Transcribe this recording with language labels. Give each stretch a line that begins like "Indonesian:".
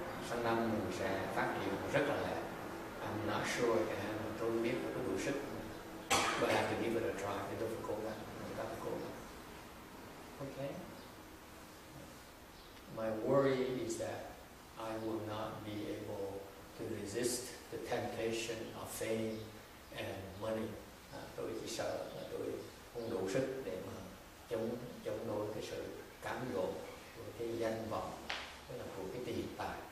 Vietnamese: Sáng năm mình sẽ phát triển rất là lẹ.
English: I'm not sure if I'm going to be able to do it. But I have to give it a try. It's difficult. It's difficult. Okay. My worry is that I will not be able to resist the temptation of fame and money.
Vietnamese: Tôi chỉ sợ là tôi không đủ sức để mà chống đối cái sự cám dỗ của cái danh vọng, tức là của cái tiền tài.